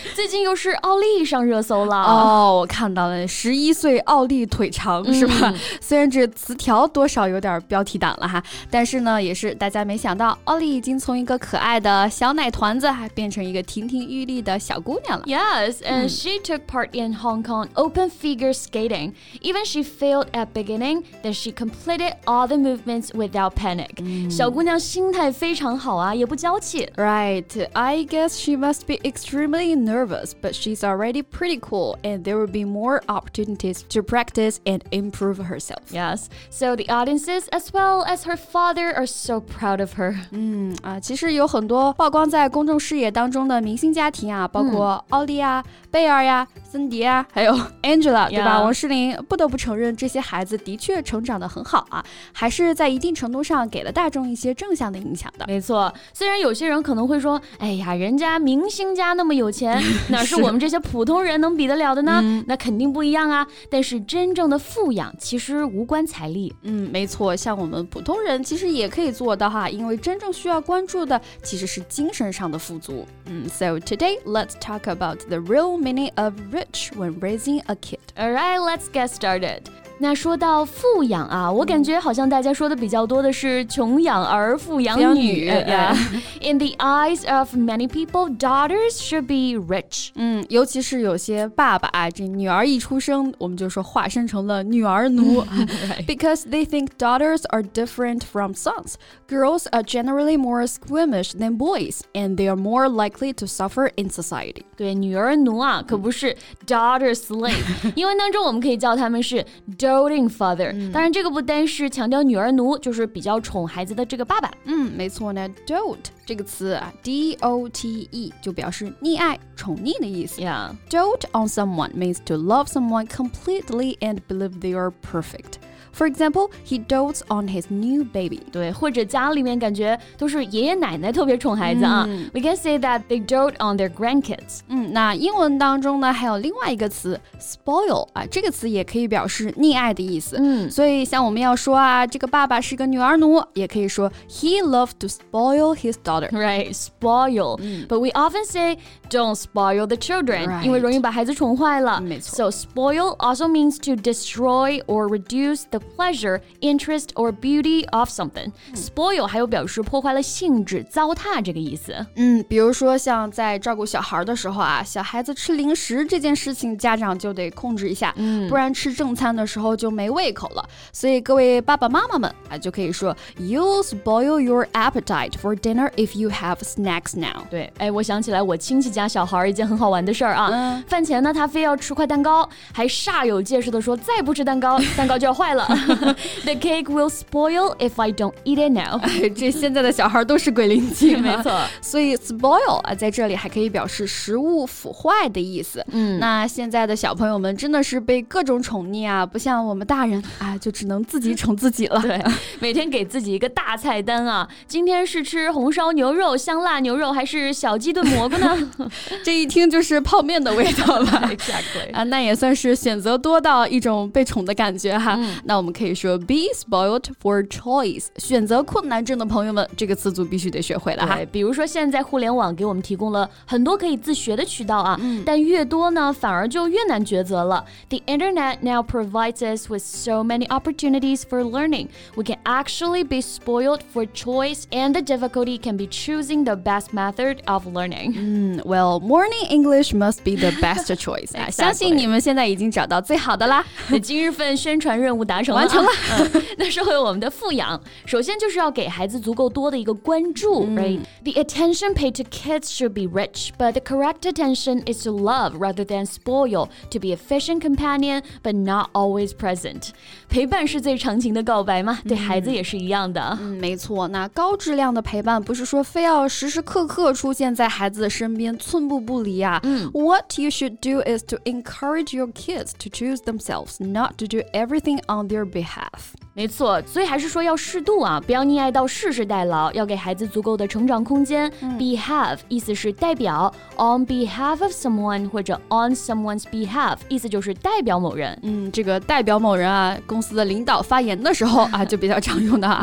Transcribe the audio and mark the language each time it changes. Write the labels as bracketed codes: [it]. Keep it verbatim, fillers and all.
[zh] 最近又是奥利上热搜了哦，我看到了，十一岁奥利腿长、嗯、是吧？虽然这词条多少有点标题党了哈，但是呢，也是大家没想到，奥利已经从一个可爱的小奶团子，还变成一个亭亭玉立的小姑娘了。 [en] Yes, and、嗯、she took part in Hong Kong open figure skating. Even she failed at beginning, then she completed all the movements without panic.、嗯、 [zh] 小姑娘心态非常好啊，也不娇气。 [en] Right, I guess she must be extremely nervous, but she's already pretty cool, and there will be more opportunities to practice and improve herself. Yes, so the audiences as well as her father are so proud of her. [zh] 嗯啊，其实有很多曝光在公众视野当中的明星家庭啊，包括奥利啊、嗯、贝尔呀、森迪啊，还有 Angela， 对吧？ Yeah. 王诗龄不得不承认，这些孩子的确成长得很好啊，还是在一定程度上给了大众一些正向的影响。没错，虽然有些人可能会说，哎呀，人家明星家那么有钱，哪是我们这些普通人能比得了的呢？那肯定不一样啊。但是真正的富养其实无关财力。嗯，没错，像我们普通人其实也可以做到哈，因为真正需要关注的其实是精神上的富足。 [en] 嗯 ，So today let's talk about the real meaning of rich when raising a kid. All right, let's get started. [zh] 那说到富养啊，我感觉好像大家说的比较多的是穷养儿，富养女。 [en] Yeah. In the eyes of many people, daughters should be rich. [zh] 嗯，尤其是有些爸爸啊，这女儿一出生，我们就说化身成了女儿奴。 [en] Because they think daughters are different from sons. Girls are generally more squeamish than boys, and they are more likely to suffer in society. [zh] 对，女儿奴啊，可不是 daughter slave， 因为当中我们可以叫他们是doting father、嗯、当然这个不单是强调女儿奴，就是比较宠孩子的这个爸爸。嗯，没错呢， dote 这个词啊 D O T E 就表示溺爱、宠溺的意思、 [en] yeah. Dote on someone means to love someone completely and believe they are perfect. For example, he dotes on his new baby. [zh] 对，或者家里面感觉都是爷爷奶奶特别宠孩子啊、嗯、 [en] We can say that they dote on their grandkids. [zh] 嗯，那英文当中呢还有另外一个词 spoil 啊，这个词也可以表示溺爱的意思、嗯、所以像我们要说啊，这个爸爸是个女儿奴，也可以说 [en] He loved to spoil his daughter. Right, spoil、嗯、But we often say don't spoil the children、right. [zh] 因为容易把孩子宠坏了。没错。 [en] So spoil also means to destroy or reduce the pleasure, interest or beauty of something. [zh] Spoil 还有表示破坏了性质、糟蹋这个意思。嗯，比如说像在照顾小孩的时候啊，小孩子吃零食这件事情家长就得控制一下、嗯、不然吃正餐的时候就没胃口了。所以各位爸爸妈妈们啊，就可以说 [en] You spoil your appetite for dinner if you have snacks now. [zh] 对，哎，我想起来我亲戚家小孩一件很好玩的事儿啊、嗯、饭前呢他非要吃块蛋糕，还煞有介事的说再不吃蛋糕蛋糕就要坏了。 [en] The cake will spoil if I don't eat it now. [zh] 这现在的小孩都是鬼灵精、啊、没错。所以 spoil 啊，在这里还可以表示食物腐坏的意思。嗯，那现在的小朋友们真的是被各种宠溺啊，不像我们大人啊，就只能自己宠自己了。对，每天给自己一个大菜单啊，今天是吃红烧牛肉、香辣牛肉还是小鸡炖蘑菇呢？这一听就是泡面的味道吧。 [en] Exactly [zh] 啊，那也算是选择多到一种被宠的感觉哈。嗯、那我们。可以说 [en] be spoiled for choice， [zh] 选择困难症的朋友们这个词组必须得学会了哈。比如说现在互联网给我们提供了很多可以自学的渠道啊、嗯、但越多呢反而就越难抉择了。 [en] The internet now provides us with so many opportunities for learning. We can actually be spoiled for choice, and the difficulty can be choosing the best method of learning. 嗯 Well, morning English must be the best choice. exactly. [zh] 相信你们现在已经找到最好的啦。今日份宣传任务达成了，完成了。嗯、那说回我们的富养，首先就是要给孩子足够多的一个关注、嗯、right? [en] The attention paid to kids should be rich, but the correct attention is to love rather than spoil, to be efficient companion, but not always present. [zh] 陪伴是最长情的告白嘛、嗯、对孩子也是一样的。嗯，没错，那高质量的陪伴不是说非要时时刻刻出现在孩子的身边，寸步不离啊、 [en] 嗯、What you should do is to encourage your kids to choose themselves, not to do everything on their behalf. [zh] 没错，所以还是说要适度啊，不要溺爱到世世代劳，要给孩子足够的成长空间。嗯、behave 意思是代表 ， [en] on behalf of someone [zh] 或者 [en] on someone's behalf [zh] 意思就是代表某人。嗯，这个代表某人啊，公司的领导发言的时候啊，就比较常用的啊。